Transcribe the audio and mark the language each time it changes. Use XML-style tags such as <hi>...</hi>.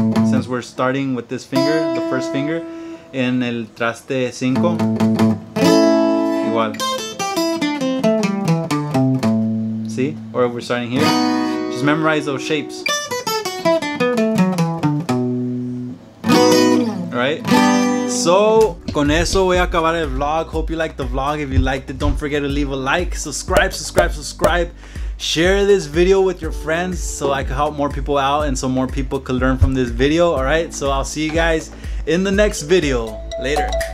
<en>Since we're starting with this finger, the first finger, in</en> <es>el traste 5, igual.</es> <en>See? Or if we're starting here, just memorize those shapes. Alright?</en> <es>So, con eso voy a acabar el vlog.</es> <en>Hope you liked the vlog. If you liked it, don't forget to leave a like. Subscribe. Share this video with your friends so I can help more people out and so more people can learn from this video. All right, so I'll see you guys in the next video. Later.</en>